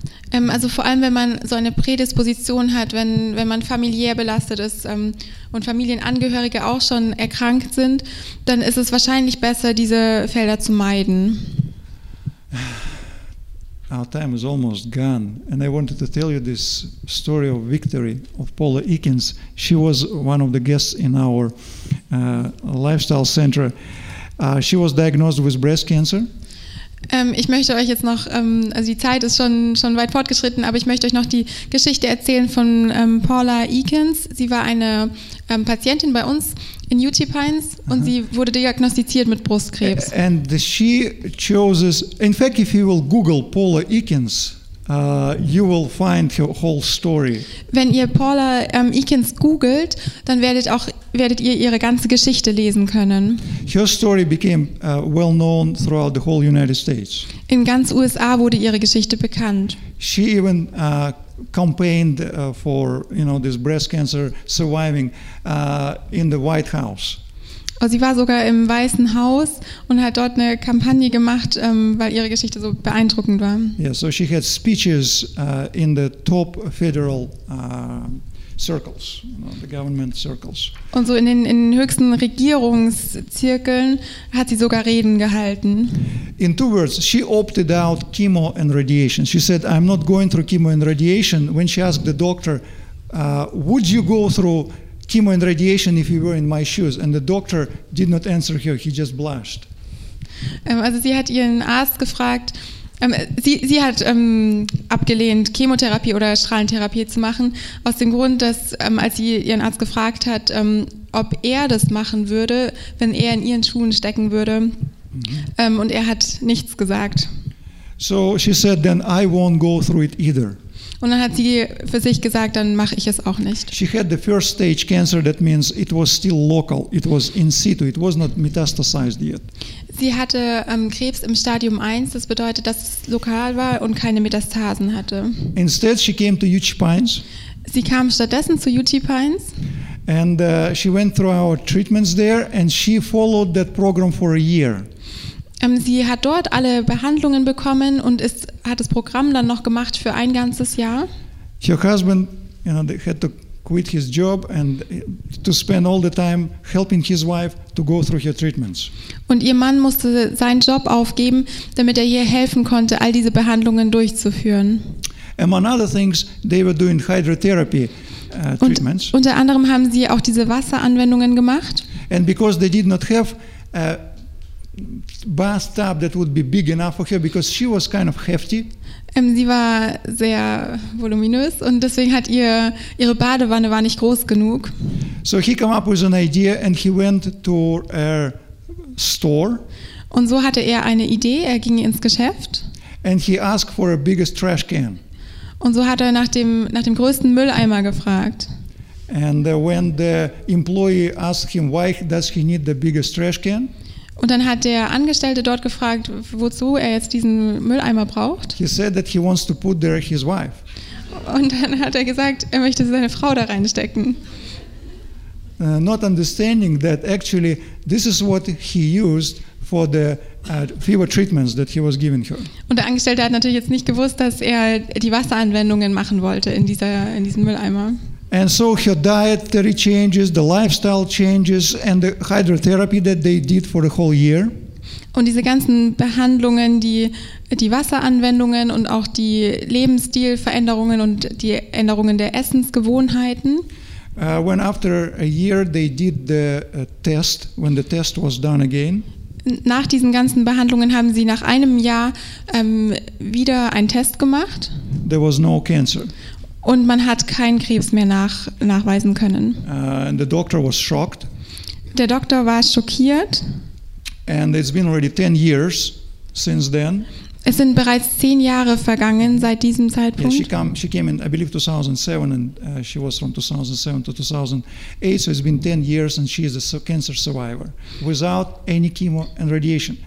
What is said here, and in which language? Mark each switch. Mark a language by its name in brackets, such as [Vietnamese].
[German] Also vor allem, wenn man so eine Prädisposition hat, wenn man familiär belastet ist und Familienangehörige auch schon erkrankt sind, dann ist es wahrscheinlich besser, diese Felder zu meiden. [English] Our time is almost gone, and I wanted to tell you this story of Victory, of Paula Eakins. She was one of the guests in our lifestyle center. She was diagnosed with breast cancer. [German] Ich möchte euch jetzt noch, also die Zeit ist schon weit fortgeschritten, aber ich möchte euch noch die Geschichte erzählen von Paula Eakins. Sie war eine Patientin bei uns in UT Pines und sie wurde diagnostiziert mit Brustkrebs. [English] And she chose, in fact, if you will Google Paula Eakins, you will find her whole story. [German] Wenn ihr Paula Eakins googelt, dann werdet ihr ihre ganze Geschichte lesen können. [English] Her story became well known throughout the whole United States. [German] In ganz USA wurde ihre Geschichte bekannt. [English] She even campaigned for, you know, this breast cancer surviving in the White House. [German] Sie war sogar im Weißen Haus und hat dort eine Kampagne gemacht, weil ihre Geschichte so beeindruckend war. [English] Yeah, so she had speeches in the top federal circles, you know, the government circles. [German] Und so in den höchsten Regierungszirkeln hat sie sogar Reden gehalten. [English] In two words, she opted out chemo and radiation. She said, I'm not going through chemo and radiation. When she asked the doctor, would you go through chemo and radiation if you were in my shoes? And the doctor did not answer her, he just blushed. [German] Also sie hat ihren Arzt gefragt, sie hat abgelehnt, Chemotherapie oder Strahlentherapie zu machen, aus dem Grund, dass als sie ihren Arzt gefragt hat, ob er das machen würde, wenn er in ihren Schuhen stecken würde, und er hat nichts gesagt. [English] So she said, then I won't go through it either. [German] Und dann hat sie für sich gesagt, dann mache ich es auch nicht. [English] She had the first stage cancer, that means it was still local. It was in situ, it was not metastasized yet. [German] Sie hatte Krebs im Stadium 1, das bedeutet, dass es lokal war und keine Metastasen hatte. [English] Instead she came to UT Pines. [German] Sie kam stattdessen zu UT Pines. [English] And she went through our treatments there and she followed that program for a year. [German] Sie hat dort alle Behandlungen bekommen und hat das Programm dann noch gemacht für ein ganzes Jahr. [English] Her husband, you know, had to quit his job and to spend all the time helping his wife to go through her treatments. [German] Und ihr Mann musste seinen Job aufgeben, damit er ihr helfen konnte, all diese Behandlungen durchzuführen. [English] Among other things, they were doing hydrotherapy. treatments. [German] Und unter anderem haben sie auch diese Wasseranwendungen gemacht. [English] And because they did not have a bathtub that would be big enough for her, because she was kind of hefty. [German] Sie war sehr voluminös und deswegen hat ihre Badewanne war nicht groß genug. [English] So he came up with an idea and he went to a store. [German] Und so hatte er eine Idee, er ging ins Geschäft. [English] And he asked for a biggest trash can. [German] Und so hat er nach dem größten Mülleimer gefragt. [English] And when the employee asked him why does he need the biggest trash can? [German] Und dann hat der Angestellte dort gefragt, wozu er jetzt diesen Mülleimer braucht. [English] He said that he wants to put there his wife. [German] Und dann hat er gesagt, er möchte seine Frau da reinstecken. [English] Not understanding that actually this is what he used for the fever treatments that he was giving her. [German] Und der Angestellte hat natürlich jetzt nicht gewusst, dass er die Wasseranwendungen machen wollte in diesem Mülleimer. [English] And so her dietary changes, the lifestyle changes, and the hydrotherapy that they did for a whole year. [German] Und diese ganzen Behandlungen, die Wasseranwendungen und auch die Lebensstilveränderungen und die Änderungen der Essensgewohnheiten. [English] When after a year they did the test, when the test was done again. [German] Nach diesen ganzen Behandlungen haben sie nach einem Jahr wieder einen Test gemacht. [English] There was no cancer. [German] Und man hat keinen Krebs mehr nachweisen können. [English] And the doctor was shocked. [German] Der Doktor war schockiert. [English] And it's been already 10 years since then. [German] Es sind bereits 10 Jahre vergangen seit diesem Zeitpunkt. [English] Yeah, she came in, I believe, 2007, and she was from 2007 to 2008. So it's been 10 years, and she is a cancer survivor without any chemo and radiation.